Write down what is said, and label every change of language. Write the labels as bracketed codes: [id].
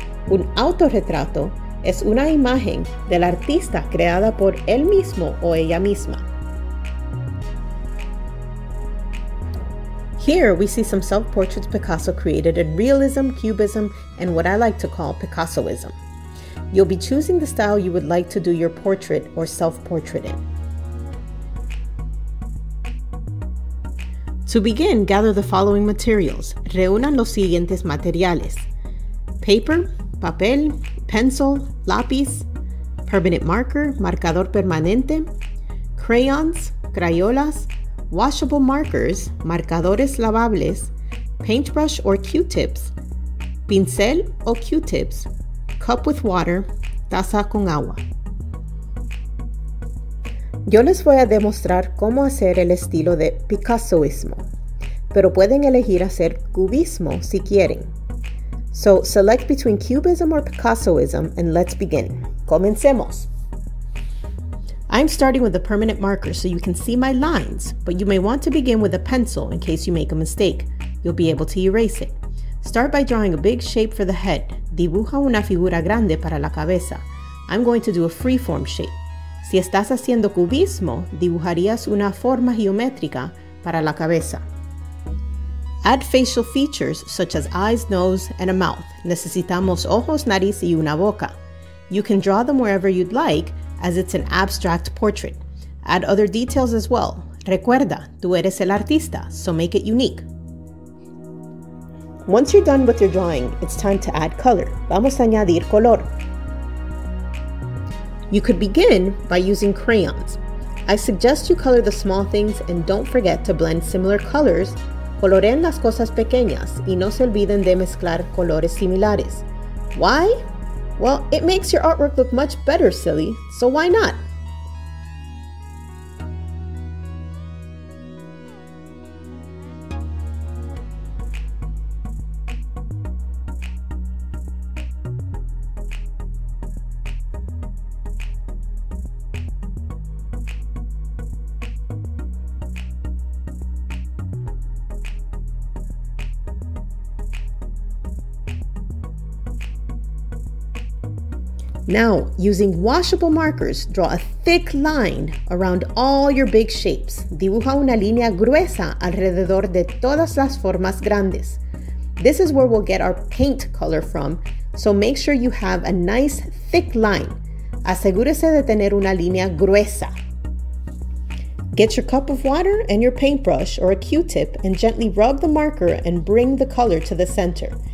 [es] Un autorretrato es una imagen del artista creada por él mismo o ella misma. [en] Here we see some self-portraits Picasso created in realism, cubism, and what I like to call Picassoism. You'll be choosing the style you would like to do your portrait or self-portrait in. To begin, gather the following materials. [es] Reúnan los siguientes materiales. [en] Paper, [es] papel, [en] pencil, [es] lápiz, [en] permanent marker, [es] marcador permanente, [en] crayons, [es] crayolas, [en] washable markers, [es] marcadores lavables, [en] paintbrush or Q-tips, [es] pincel o Q-tips, [en] cup with water, [es] taza con agua. Yo les voy a demostrar cómo hacer el estilo de Picassoismo, pero pueden elegir hacer cubismo si quieren. [en] So, select between Cubism or Picassoism, and let's begin. [es] Comencemos. [en] I'm starting with a permanent marker so you can see my lines, but you may want to begin with a pencil in case you make a mistake. You'll be able to erase it. Start by drawing a big shape for the head. [es] Dibuja una figura grande para la cabeza. [en] I'm going to do a free-form shape. [es] Si estás haciendo cubismo, dibujarías una forma geométrica para la cabeza. [en] Add facial features such as eyes, nose, and a mouth. [es] Necesitamos ojos, nariz, y una boca. [en] You can draw them wherever you'd like, as it's an abstract portrait. Add other details as well. [es] Recuerda, tú eres el artista, [en] so make it unique. Once you're done with your drawing, it's time to add color. [es] Vamos a añadir color. [en] You could begin by using crayons. I suggest you color the small things and don't forget to blend similar colors. [es] Coloreen las cosas pequeñas y no se olviden de mezclar colores similares. [en] Why? Well, it makes your artwork look much better, silly, so why not? Now, using washable markers, draw a thick line around all your big shapes. [es] Dibuja una línea gruesa alrededor de todas las formas grandes. [en] This is where we'll get our paint color from, so make sure you have a nice thick line. [es] Asegúrese de tener una línea gruesa. [en] Get your cup of water and your paintbrush or a Q-tip and gently rub the marker and bring the color to the center.